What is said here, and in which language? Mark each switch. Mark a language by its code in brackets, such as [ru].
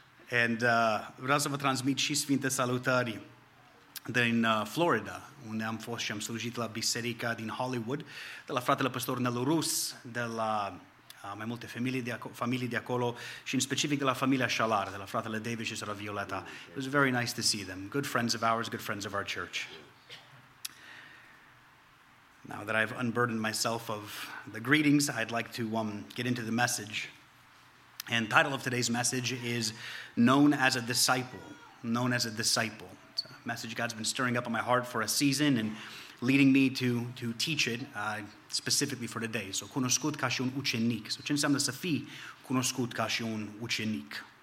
[ro] And vreau să vă transmit și sfinte salutări din Florida, unde am fost și am slujit la biserica din Hollywood, de la fratele păstor Nelu Rus, de la mai multe familii de acolo și în specific de la familia Shalar, de la fratele David și sora Violeta. [en] It was very nice to see them. Good friends of ours, good friends of our church. Now that I've unburdened myself of the greetings, I'd like to get into the message. And the title of today's message is Known as a Disciple. Known as a Disciple. Message God's been stirring up in my heart for a season and leading me to teach it specifically for today. [ro] So, cunoscut ca și un ucenic. So, ce înseamnă să fii cunoscut ca și un ucenic?